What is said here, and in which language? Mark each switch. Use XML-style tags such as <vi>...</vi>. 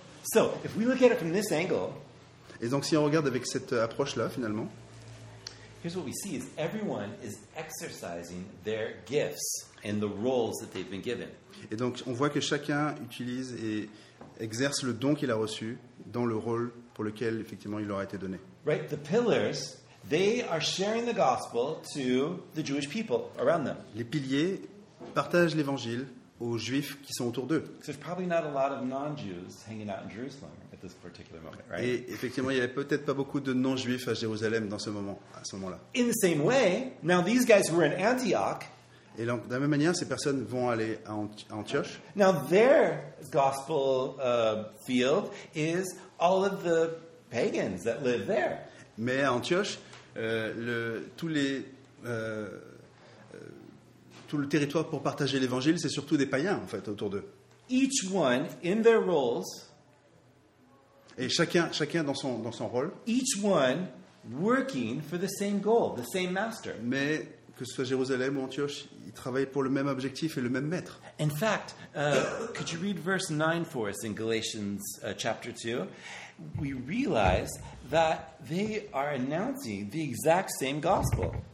<en>So, if we look at it from this angle,</en> <fr>et donc si on regarde avec cette approche là finalement,</fr> <en>here's what we see is everyone is exercising their gifts and the roles that they've been given.</en> <fr>Et donc on voit que chacun utilise et exerce le don qu'il a reçu dans le rôle pour lequel effectivement il leur a été donné.</fr> <en>Right, the pillars, they are sharing the gospel to the Jewish people around them.</en> <fr>Les piliers partagent l'évangile aux Juifs qui sont autour d'eux.</fr> <en>So there's probably not a lot of non-Jews hanging out in Jerusalem at this particular moment, right?</en> <fr>Et effectivement, il n'y avait peut-être pas beaucoup de non-Juifs à Jérusalem dans ce moment, à ce moment-là.</fr> <en>In the same way, now these guys were in Antioch.</en> <fr>Et donc, de la même manière, ces personnes vont aller à Antioche.</fr> <en>Now their gospel field is all of the pagans that live there.</en> <fr>Mais à Antioche, tout le territoire pour partager l'évangile, c'est surtout des païens en fait autour d'eux.</fr> <en>Each one in their roles.</en> <fr>Et chacun dans son rôle.</fr> <en>Each one working for the same goal, the same master.</en> <fr>Mais que ce soit Jérusalem ou Antioche, ils travaillent pour le même objectif et le même maître.</fr> <en>In fact, could you read verse 9 for us in Galatians chapter 2? We realize that they are announcing the exact same gospel.</en>